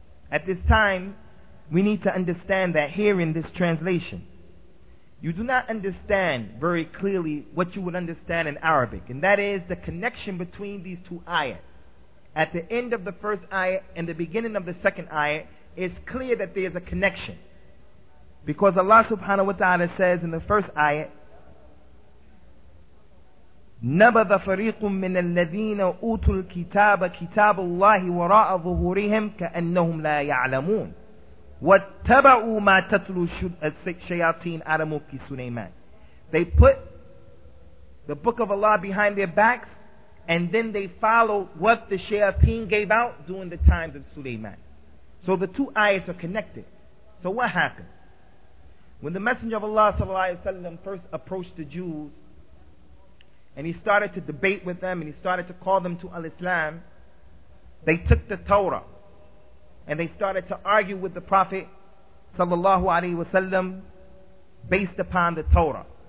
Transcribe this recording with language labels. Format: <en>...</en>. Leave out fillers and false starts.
<en>At this time, we need to understand that here in this translation, you do not understand very clearly what you would understand in Arabic, and that is the connection between these two ayat. At the end of the first ayat and the beginning of the second ayat, it's clear that there is a connection. Because Allah subhanahu wa ta'ala says in the first ayat,</en> <ar>نَبَذَ فَرِيقٌ مِّنَ الَّذِينَ أُوتُوا الْكِتَابَ كِتَابُ اللَّهِ وَرَاءَ ظُهُورِهِمْ كَأَنَّهُمْ لَا يَعْلَمُونَ وَاتَّبَعُوا مَا تَتْلُوا الشَّيَاطِينَ عَلَى مُلْكِ سُلَيْمَانَ.</ar> <en>They put the book of Allah behind their backs, and then they follow what the shayateen gave out during the times of Sulaiman. So the two ayahs are connected. So what happened? When the Messenger of Allah sallallahu alayhi wa sallam first approached the Jews, and he started to debate with them, and he started to call them to al-Islam, they took the Torah, and they started to argue with the Prophet sallallahu alayhi wa sallam based upon the Torah.</en>